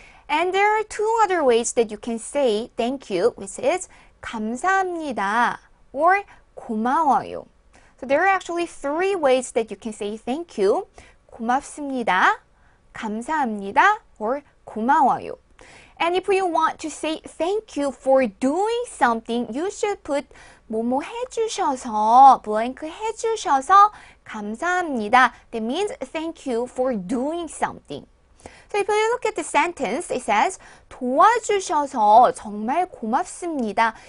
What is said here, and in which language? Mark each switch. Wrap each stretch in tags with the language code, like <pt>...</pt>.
<en>And there are two other ways that you can say thank you, which is</en> <ko>감사합니다</ko> <en>or</en> <ko>고마워요.</ko> <en>So there are actually three ways that you can say thank you.</en> <ko>고맙습니다, 감사합니다, or 고마워요.</ko> <en>And if you want to say thank you for doing something, you should put</en> <ko>뭐뭐 해주셔서,</ko> <en>blank</en> <ko>해주셔서 감사합니다.</ko> <en>That means thank you for doing something. So if you look at the sentence, it says</en> <ko>도와주셔서 정말 고맙습니다.</ko>